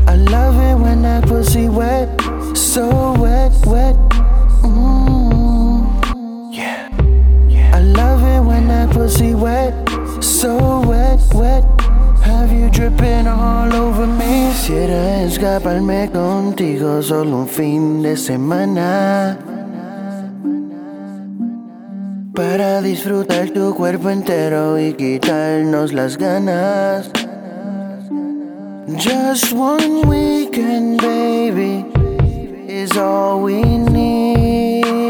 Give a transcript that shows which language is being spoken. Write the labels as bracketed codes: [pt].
[en] Love it when that pussy wet, so wet, wet. Yeah. I love it when that pussy wet, so wet, wet. Have you dripping all over me? [es] Quisiera escaparme contigo solo un fin de semana para disfrutar tu cuerpo entero y quitarnos las ganas. [en] Just one weekend, baby, is all we need.